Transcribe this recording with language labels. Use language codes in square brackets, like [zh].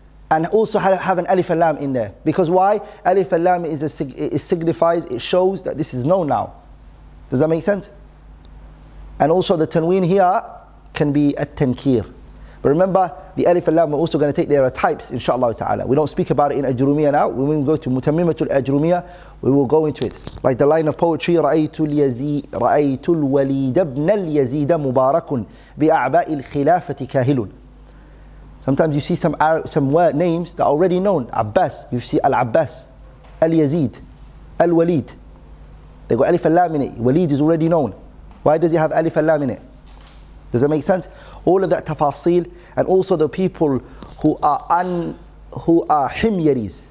[en] And also have an alif al-lam in there. Because why? Alif al-lam is a signifies, it shows that this is known now. Does that make sense? And also the tanween here can be a tankir. But remember, the alif al-lam, we're also going to take there are types, inshallah ta'ala. We don't speak about it in Ajrumiyyah now. When we go to Mutamimatul Ajrumiyyah, we will go into it. Like the line of poetry, [ar] رأيت الوليد ابن اليزيد مبارك بأعباء الخلافة كاهلٌ. [en] Sometimes you see some names that are already known. Abbas, you see Al-Abbas, Al-Yazid, Al-Walid. They got Alif Al-Lam in it. Walid is already known. Why does he have Alif Al-Lam in it? Does that make sense? All of that tafasil, and also the people who are Himyaris.